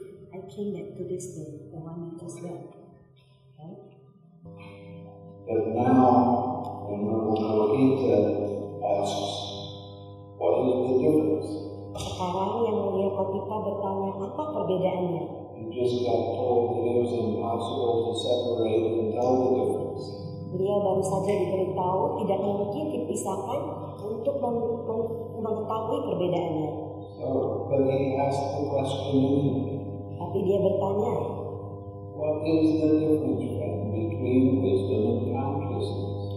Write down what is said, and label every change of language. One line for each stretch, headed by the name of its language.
English: I came back to this thing, the one you just read. But now, when Venerable Gita asks, what is the difference?
Indonesian: Sekarang yang Mulia Kopita bertanya, apa perbedaannya?
English: You just got told that it was impossible to separate and tell the difference.
Indonesian: Dia baru saja diberitahu tidak mungkin dipisahkan untuk mengetahui perbedaannya.
English: So, but he asked the question.
Indonesian: Tapi dia bertanya,
English: what is the difference between wisdom and consciousness?